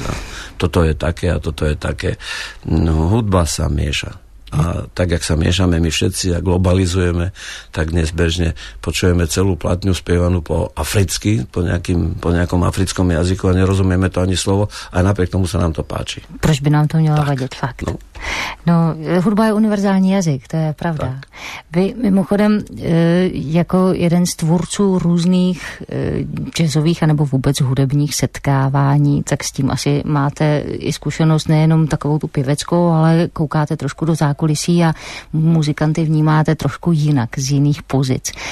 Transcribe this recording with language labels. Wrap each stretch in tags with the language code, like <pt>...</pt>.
<sk>A toto je také a toto je také. No, hudba sa mieša. A tak, jak sa miešame my všetci a globalizujeme, tak dnes bežne počujeme celú platňu spievanú po africky, po nejakom africkom jazyku a nerozumieme to ani slovo a napriek tomu sa nám to páči.</sk> <cs>Proč by nám to mělo vadiť, fakt? No. No, hudba je univerzální jazyk, to je pravda. Tak. Vy mimochodem jako jeden z tvůrců různých jazzových anebo vůbec hudebních setkávání, tak s tím asi máte i zkušenost nejenom takovou tu pěveckou, ale koukáte trošku do zákulisí a muzikanty vnímáte trošku jinak, z jiných pozic.</cs>